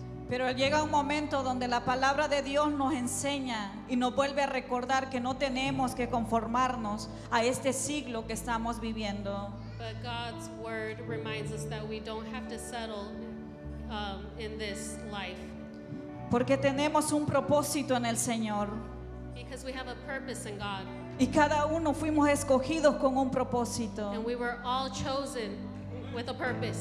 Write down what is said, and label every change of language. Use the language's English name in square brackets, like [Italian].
[Spanish] Pero llega un momento donde la palabra de Dios nos enseña y nos vuelve a recordar que no tenemos que conformarnos a este siglo que estamos viviendo. [English] But God's word reminds us that we don't have to settle in this life. [Spanish] Porque tenemos un propósito en el Señor. [English] Because we have a purpose in God. [Spanish] Y cada uno fuimos escogidos con un propósito. [English] And we were all chosen with a purpose.